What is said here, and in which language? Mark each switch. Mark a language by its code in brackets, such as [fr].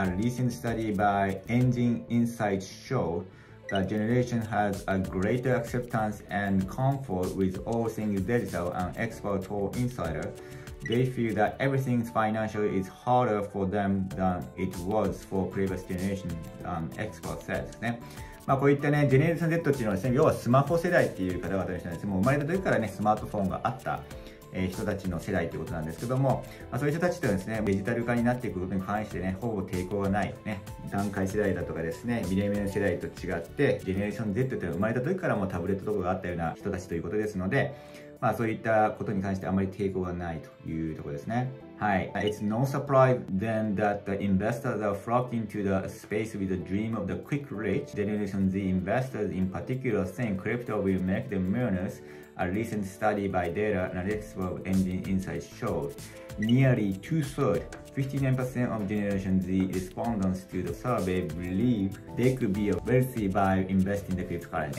[en] A recent study by Engine Insights show that generation has a greater acceptance and comfort with all things digital and expert or insider. They feel that everything financial is harder for them than it was for previous generation, expert says. [ja] まあ、こういったね、ジェネレーション Z っていうのはですね、要はスマホ世代っていう方々でしたね、もう生まれた時からね、スマートフォンがあった人たちの世代ということなんですけども、まあ、そういう人たちというのはですね、デジタル化になっていくことに関してね、ほぼ抵抗がない、ね、段階世代だとかですね、ミレニアル世代と違って、ジェネレーション Z というのは生まれた時からもうタブレットとかがあったような人たちということですので、まあ、そういったことに関してあまり抵抗がないというところですね。はい。 [en] It's no surprise then that the investors are flocking to the space with a dream of the quick rich. Generation Z investors in particular think crypto will make them millionaires. A recent study by Data Analytics of Engine Insights showed nearly two-thirds, 59% of Generation Z respondents to the survey believe they could be wealthy by investing in cryptocurrency.